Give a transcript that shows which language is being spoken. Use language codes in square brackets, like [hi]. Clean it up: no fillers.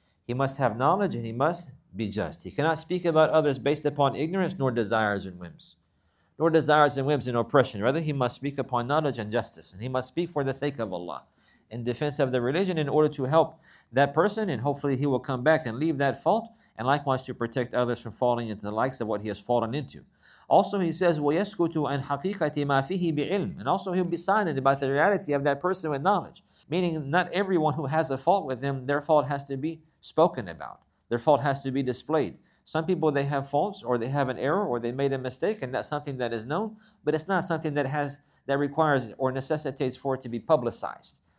[en] He must have knowledge and he must be just. He cannot speak about others based upon ignorance, nor desires and whims. Nor desires and whims and oppression. Rather, he must speak upon knowledge and justice. And he must speak for the sake of Allah, in defense of the religion, in order to help that person. And hopefully he will come back and leave that fault, and likewise to protect others from falling into the likes of what he has fallen into. Also, he says, [ar] وَيَسْكُتُ عَنْ حَقِيقَةِ مَا فِيهِ بِعِلْمٍ. [en] And also, he'll be silent about the reality of that person with knowledge. Meaning, not everyone who has a fault with them, their fault has to be spoken about. Their fault has to be displayed. Some people, they have faults, or they have an error, or they made a mistake, and that's something that is known. But it's not something that requires or necessitates for it to be publicized.